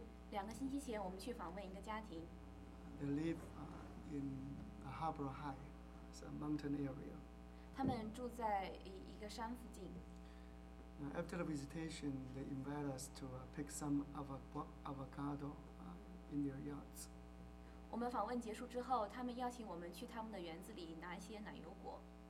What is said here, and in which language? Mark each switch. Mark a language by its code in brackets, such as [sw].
[zh] 两个星期前，我们去访问一个家庭。 [en] They live in a harbor high, it's a mountain area. [zh] 他们住在一个山附近。 [en] After the visitation, they invite us to pick some avocado in their yards. [zh] 我们访问结束之后，他们邀请我们去他们的园子里拿一些奶油果。